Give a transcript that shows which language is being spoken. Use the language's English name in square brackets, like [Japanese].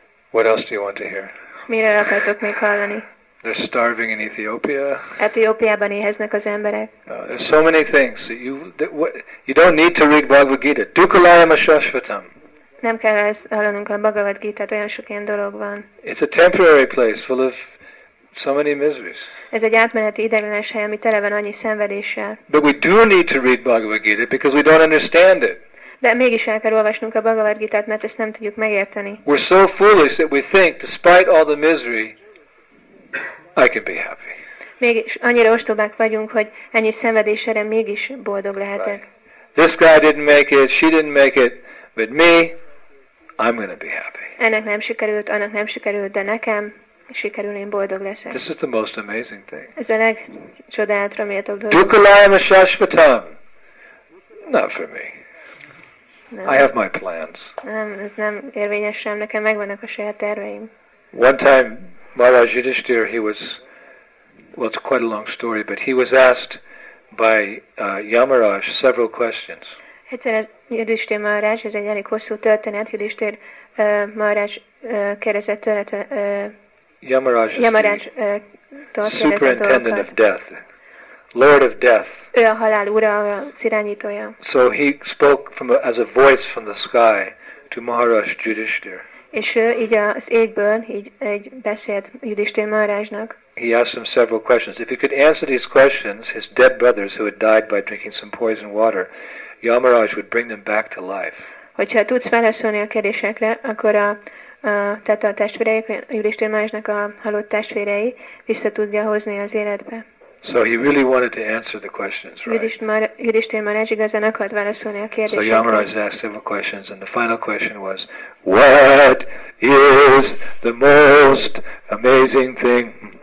[English] What else do you want to hear? [Hungarian] Miről akartok még hallani? [English] They're starving in Ethiopia. [Hungarian] Etiópiában éheznek az emberek. [English] There's so many things. You don't need to read Bhagavad Gita. [Sanskrit] Dukkhalayam Ashashvatam. [Hungarian] Nem kell ezt hallanunk a Bhagavad Gita-t, olyan sok ilyen dolog van. [English] It's a temporary place full of so many miseries. [Hungarian] Ez egy átmeneti ideiglenes hely, ami tele van annyi szenvedéssel. [English] But we do need to read Bhagavad Gita because we don't understand it. [Hungarian] De mégis el kell olvasnunk a Bhagavad Gita-t, mert ezt nem tudjuk megérteni. [English] We're so foolish that we think, despite all the misery, I can be happy. [Hungarian] Mégis annyira ostobák vagyunk, hogy ennyi szenvedésre mégis boldog lehetek. [English] Right. This guy didn't make it, she didn't make it, but me, I'm gonna be happy. [Hungarian] Ennek nem sikerült, annak nem sikerült, de nekem sikerül, én boldog leszek. [English] This is the most amazing thing. [Hungarian] Ez a legcsodálatra méltóbb dolog. [Sanskrit] Dukkhalayam Ashashvatam. [English] Not for me. [Hungarian] Nem. [English] I have my plans. [Hungarian] Nem, ez nem érvényes sem, nekem megvannak a saját terveim. [English] One time, Maharaj Yudhishthir, he was, well, it's quite a long story, but he was asked by Yamaraj several questions. [Hungarian] Egyszer ez Yudhishthir Maharaj, ez egy elég hosszú történet, Yudhishthir Maharaj kérdezett tőle, [English] Yamaraj is Yamaraj, the superintendent of death, lord of death. [Hungarian] Ő a halál ura, a irányítója. [English] So he spoke from as a voice from the sky to Maharaj Yudhishthir. [Hungarian] És ő így az égből így egy beszélt Yudhishthir Maharajnak. [English] He asked him several questions. If he could answer these questions, his dead brothers who had died by drinking some poison water, Yamaraj would bring them back to life. [Hungarian] Hogyha tudsz válaszolni a kérdésekre, akkor tehát a testvérei, Yudhishthir Maharajnak a halott testvérei vissza tudja hozni az életbe. [English] So he really wanted to answer the questions, right? [Hungarian] Yudhishthir Maharaj igazán akart válaszolni a kérdésekre. [English] So Yamaraj asked several questions, and the final question was, what is the most amazing thing?